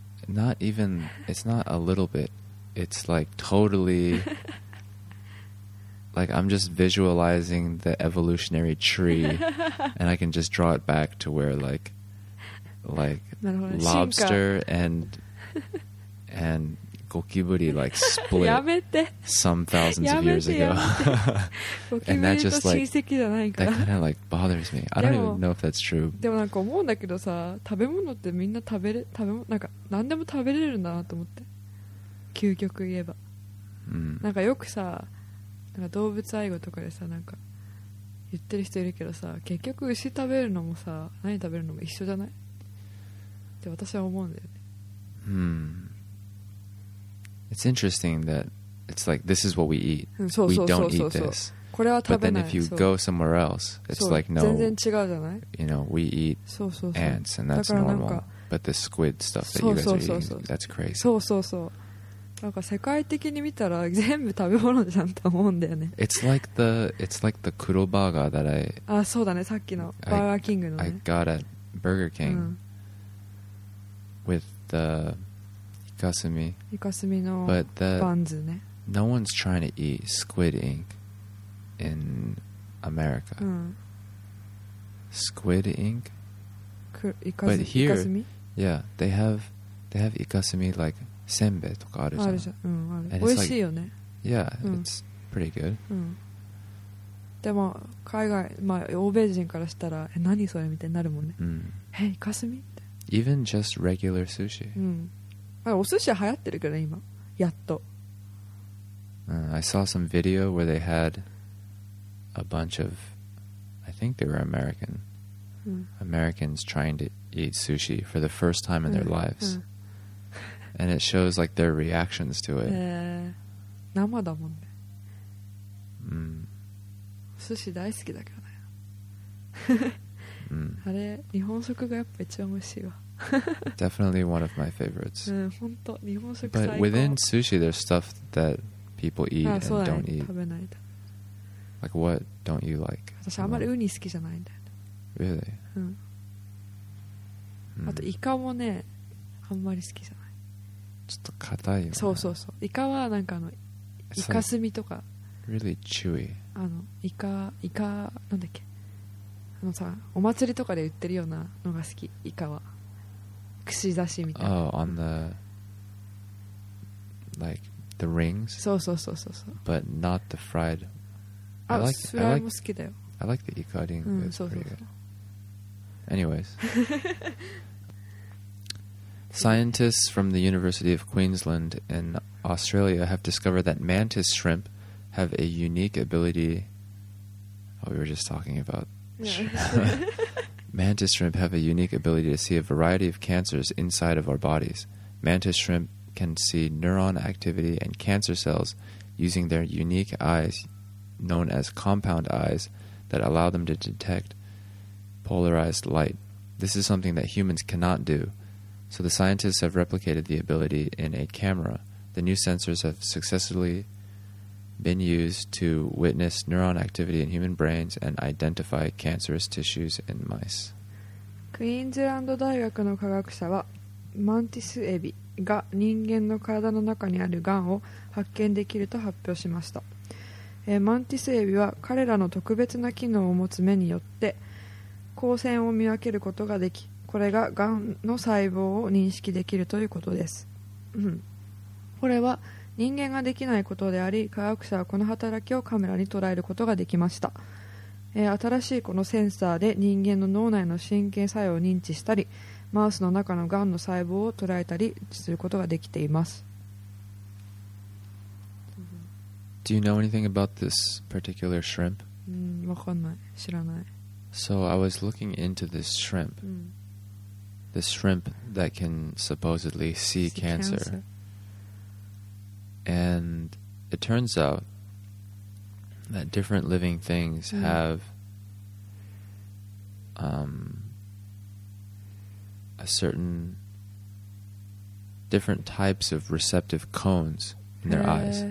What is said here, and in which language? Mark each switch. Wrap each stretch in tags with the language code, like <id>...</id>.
<en>Not even, it's not a little bit. It's like totally, like I'm just visualizing the evolutionary tree and I can just draw it back to where like lobster and gokiburi like split some thousands of years ago. And that just like, that kind of like bothers me. I don't even know if that's true.</en> <ja>でもなんか思うんだけどさ、食べ物ってみんな食べれ、食べ物、なんか何でも食べれるんだなと思って。究極言えば。なんかよくさ、なんか動物愛護とかでさ、なんか言ってる人いるけどさ、結局牛食べるのもさ、何食べるのも一緒じゃない? って私は思うんだよね。</ja> <en>It's interesting that it's like this is what we eat. We don't eat this.</en> <ja>これは食べない。</ja> <en>But then if you go somewhere else, it's like no.</en> <ja>全然違うじゃない?</ja> <en>You know, we eat ants and that's normal. But the squid stuff that you guys are eating, that's crazy.</en> <ja>そうそうそう。なんか世界的に見たら全部食べ物じゃんと思うんだよね。</ja> <en>It's like the Kuro Burger that I.</en> <ja>あ、そうだね。さっきのバーガーキングのね。</ja> <en>I got at Burger King with the.</en> <ja>Ikasumi no</ja> <en>buns ne. No one's trying to eat squid ink in America. Squid ink?</en> <ja>Ikasumi?</ja> <en>But here, yeah, they have ikasumi like senbei</en> <ja>とかあるじゃん。あるじゃん。うん、ある。美味しいよね。</ja> <en>Yeah, it's pretty good.</en> <ja>でも海外、まあ欧米人からしたら、え、何それみたいになるもんね。え、ikasumi?</ja> <en>Even just regular sushi.</en> <ja>お寿司は流行ってるから今やっと。</ja> <en>I saw some video where they had a bunch of, I think they were American, Americans trying to eat sushi for the first time in their lives, and it shows like their reactions to it.</en> <ja>生だもんね。お寿司大好きだからね。あれ日本食がやっぱ一番美味しいわ。</ja> <en>Definitely one of my favorites. But within sushi, there's stuff that people eat and don't eat. Like, what don't you like? I'm not really fond of uni. Really? And ika is not really fond of. It's a little hard. Yeah, yeah, yeah. Ika is like ika skin or really chewy. Ika, what is it?</en> <ja>あのさ、お祭りとかで売ってるようなのが好き。イカは串刺しみたいな。</ja> <en>Oh, on the like the rings.</en> <ja>そうそうそうそうそう。</ja> <en>But not the fried.</en> <ja>あ、フライも好きだよ。</ja> <en>I like the イカリング。</en> <ja>そうそうそう。</ja> <en>Anyways, scientists from the University of Queensland in Australia have discovered that mantis shrimp have a unique ability. Oh, we were just talking aboutmantis shrimp have a unique ability to see a variety of cancers inside of our bodies. Mantis shrimp can see neuron activity and cancer cells using their unique eyes known as compound eyes that allow them to detect polarized light. This is something that humans cannot do. So the scientists have replicated the ability in a camera. The new sensors have successfully... been used to witness neuron activity in human brains and identify cancerous tissues in mice.</en> <ja>クイーンズランド大学の科学者はマンティスエビが人間の体の中にあるがんを発見できると発表しました。マンティスエビは彼らの特別な機能を持つ目によって光線を見分けることができ、これががんの細胞を認識できるということです。これは人間ができないことであり、科学者はこの働きをカメラに捉えることができました。新しいこのセンサーで人間の脳内の神経作用を認知したり、マウスの中のがんの細胞を捉えたりすることができています。</ja> <en>Do you know anything about this particular shrimp?</en> <ja>わかんない。知らない。</ja> <en>So I was looking into this shrimp. Mm. The shrimp that can supposedly see cancer. And it turns out that different living things have a certain different types of receptive cones in their eyes.</en>